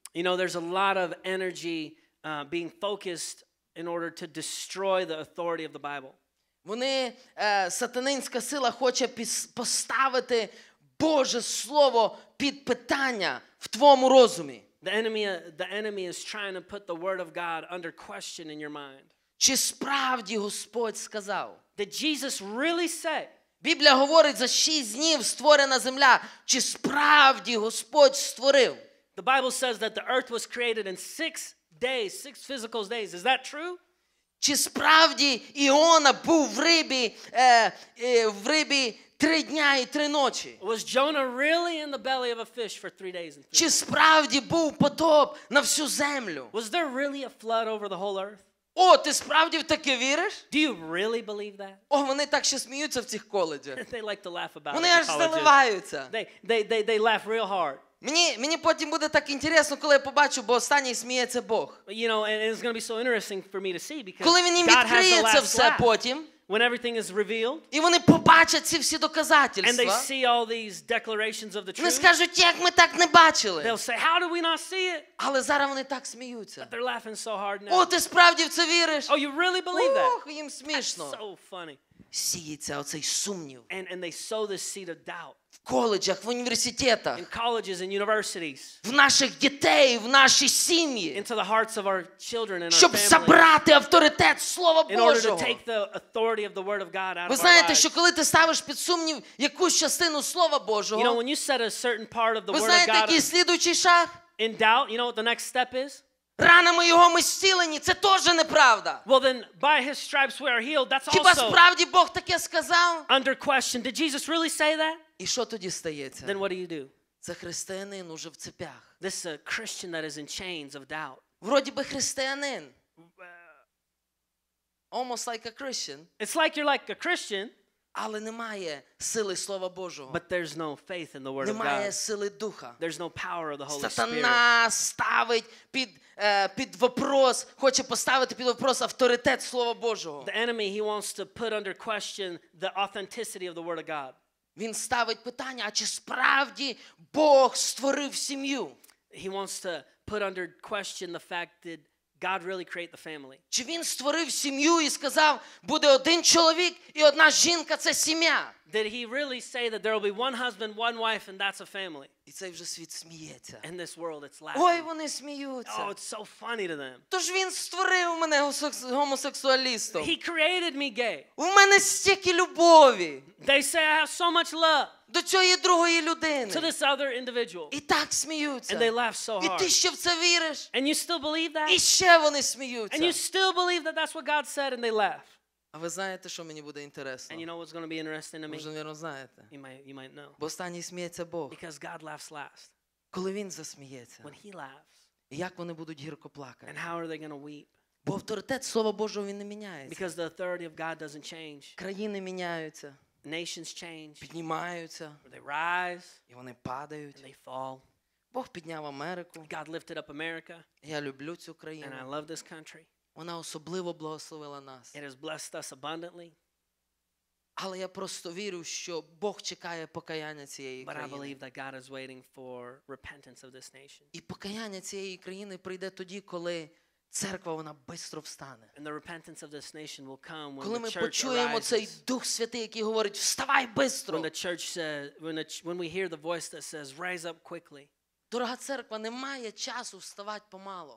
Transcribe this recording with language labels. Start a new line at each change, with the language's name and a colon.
English: You know, there's a lot of energy being focused in order to destroy the authority of the Bible.
Ukrainian: Вони, сатанинська сила хоче поставити Боже Слово під питання в твоєму розумі.
English: The enemy is trying to put the word of God under question in your mind.
Ukrainian: Чи справді Господь сказав?
English: Did Jesus really say?
Ukrainian: Біблія говорить, за 6 днів створена земля. Чи справді Господь створив?
English: The Bible says that the earth was created in 6 days, 6 physical days. Is that true?
Ukrainian: Чи справді Іона був в рибі, в рибі 3 дня і 3 ночі?
English: Was Jonah really in the belly of a fish for 3 days and 3
Ukrainian: Чи справді був потоп на всю землю?
English: Was there really a flood over the whole earth?
Ukrainian: О, ти справді в таке віриш?
English: Do you really believe that?
Ukrainian: О, вони так ще сміються в цих коледжах.
English: They like to laugh about
Ukrainian: вони аж заливаються.
English: They laugh real hard.
Ukrainian: Мені потім буде так інтересно, коли я побачу, бо останній сміється Бог.
English: You know, and it's going to be so interesting for me to see because
Ukrainian: коли мені відкриється все потім,
English: when everything is revealed,
Ukrainian: і вони побачать ці всі доказательства,
English: and they see all these declarations of the truth,
Ukrainian: вони скажуть, як ми так не бачили?
English: They'll say, how do we not see it?
Ukrainian: Але зараз вони так сміються.
English: But they're laughing so hard now.
Ukrainian: О, ти справді в це віриш?
English: Oh, you really believe that?
Ukrainian: Ох, їм смішно.
English: That's so funny.
Ukrainian: Сіється оцей сумнів.
English: And they sow this seed of doubt.
Ukrainian: В коледжах, в університетах.
English: In colleges and universities.
Ukrainian: В наших дітей, в нашій сім'ї.
English: Into the hearts of our children and our
Ukrainian: Щоб забрати авторитет Слова Божого.
English: In order to take the authority of the Word of God out of our lives.
Ukrainian: Ви знаєте, що коли ти ставиш під сумнів якусь частину Слова Божого,
English: you know, when you set a certain part of the Word of God,
Ukrainian: ви знаєте, який слідуючий шаг?
English: In doubt, you know what the next step is?
Ukrainian: Ранами його ми зцілені, це теж неправда.
English: Well then, by his stripes we are healed, that's also.
Ukrainian: Хіба справді Бог таке сказав?
English: Under question, did Jesus really say that?
Ukrainian: І що тоді стається?
English: Then what do you do?
Ukrainian: Це християнин уже в цепях.
English: This is a Christian that is in chains of doubt.
Ukrainian: Вроді би християнин.
English: Almost like a Christian. It's like you're like a Christian.
Ukrainian: Але немає сили Слова Божого.
English: But there's no faith in the Word
Ukrainian: немає
English: of God.
Ukrainian: Сили Духа.
English: There's no power of the Holy
Ukrainian: Сатана
English: Spirit.
Ukrainian: Сатана ставить під вопрос, хоче поставити під вопрос авторитет Слова Божого.
English: The enemy, he wants to put under question the authenticity of the Word of God.
Ukrainian: Він ставить питання, а чи справді Бог створив сім'ю?
English: He wants to put under question the fact that God really created the family.
Ukrainian: Чи він створив сім'ю і сказав, буде один чоловік і одна жінка, це сім'я?
English: Did he really say that there will be one husband, one wife, and that's a family?
Ukrainian: І цей вже світ сміється.
English: And this world, it's laughing.
Ukrainian: Ой, вони сміються.
English: Oh, it's so funny to them.
Ukrainian: Тож він створив мене гомосексуалістом.
English: He created me gay.
Ukrainian: У мене стільки любові.
English: They say I have so much love.
Ukrainian: До цієї другої людини.
English: To this other individual.
Ukrainian: І так сміються.
English: And they laugh so hard.
Ukrainian: І ти ще в це віриш?
English: And you still believe that?
Ukrainian: І ще вони сміються.
English: And you still believe that that's what God said and they laugh.
Ukrainian: А ви знаєте, що мені буде інтересно?
English: And you know what's going to be interesting to me?
Ukrainian: Може, ви знаєте.
English: You might know.
Ukrainian: Бо останній сміється Бог.
English: Because God laughs last.
Ukrainian: Коли він засміється.
English: When he laughs.
Ukrainian: І як вони будуть гірко плакати?
English: And how are they going to weep?
Ukrainian: Бо авторитет Слова Божого він не міняється.
English: Because the authority of God doesn't change.
Ukrainian: Країни міняються.
English: Nations change.
Ukrainian: Піднімаються.
English: Or they rise.
Ukrainian: І вони падають.
English: And they fall.
Ukrainian: Бог підняв Америку.
English: God lifted up America.
Ukrainian: Я люблю цю країну.
English: And I love this country.
Ukrainian: Вона особливо благословила нас.
English: It has blessed us abundantly.
Ukrainian: Але я просто вірю, що Бог чекає покаяння цієї
English: But
Ukrainian: країни.
English: I believe that God is waiting for repentance of this nation.
Ukrainian: І покаяння цієї країни прийде тоді, коли церква вона швидко встане.
English: And the repentance of this nation will come when
Ukrainian: коли
English: the church
Ukrainian: коли ми почуємо
English: arises,
Ukrainian: цей Дух Святий, який говорить: "Вставай швидко!"
English: When the church says, when we hear the voice that says, "Rise up quickly."
Ukrainian: Дорога церква, немає часу вставати помало.